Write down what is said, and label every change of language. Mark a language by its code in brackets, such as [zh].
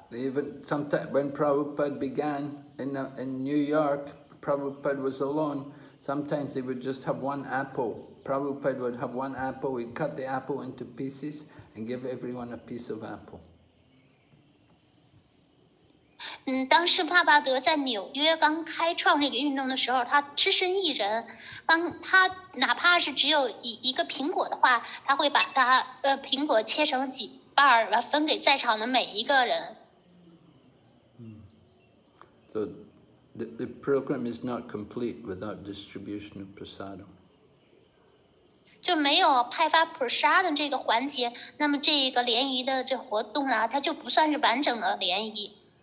[en] Even sometimes when Prabhupada began in New York, Prabhupada was alone. Sometimes he would just have one apple. Prabhupada would have one apple. He'd cut the apple into pieces and give everyone a piece of apple. [zh] 当时帕巴德在纽约刚开创这个运动的时候，他只身一人，他哪怕是只有一个苹果的话，他会把他苹果切成几半儿，然后分给在场的每一个人。 [en] So the program is not complete without distribution of prasadam. [zh] 就没有派发 prasadam 这个环节，那么这个联谊的这活动啊，它就不算是完整的联谊。